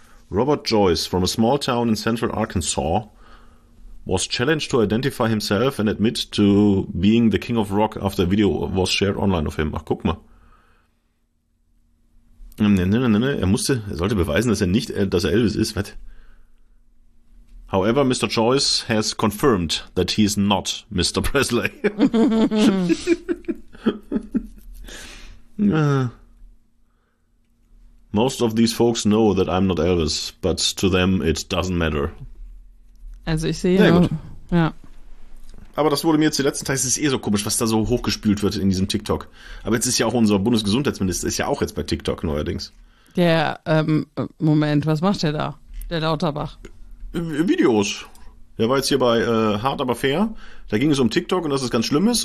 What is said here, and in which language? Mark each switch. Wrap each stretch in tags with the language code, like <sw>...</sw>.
<en>Robert Joyce from a small town in central Arkansas was challenged to identify himself and admit to being the king of rock after a video was shared online of him.</en> <de>Ach, guck mal. Nee. Er sollte beweisen, dass er Elvis ist.</de> <en>What? However, Mr. Joyce has confirmed that he is not Mr. Presley. Most of these folks know that I'm not Elvis, but to them it doesn't matter.</en> <de>Also ich sehe ja, ja. Aber das wurde mir jetzt die letzten Tage, es ist eh so komisch, was da so hochgespült wird in diesem TikTok. Aber jetzt ist ja auch unser Bundesgesundheitsminister, ist ja auch jetzt bei TikTok neuerdings. Der, Moment, was macht der da? Der Lauterbach. Videos. Der war jetzt hier bei Hart aber fair. Da ging es um TikTok und dass es ganz schlimm ist.</de>